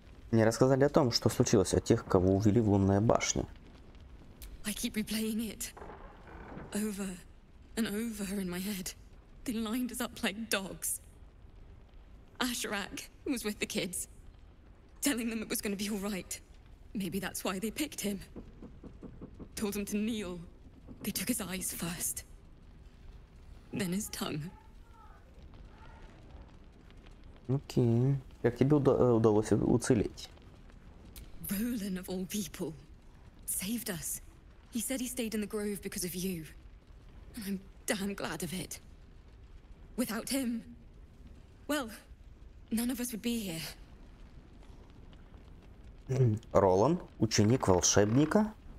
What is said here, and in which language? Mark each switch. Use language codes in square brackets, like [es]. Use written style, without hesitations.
[ru] Мне рассказали о том, что случилось, о тех, кого увели в лунные башни. [en] I keep replaying it over and over in my head. They lined us up like dogs. Asherak was with the kids, telling them it was going to be all right. Maybe that's why they picked him. Told him to kneel. They took his eyes first, then his tongue. Okay. [ru] Как тебе удалось уцелеть? [en] Roland, of all people, saved us. He said he stayed in the Grove because of you. And I'm damn glad of it. Without him, well, none of us would be here. [ru] Roland, ученик волшебника?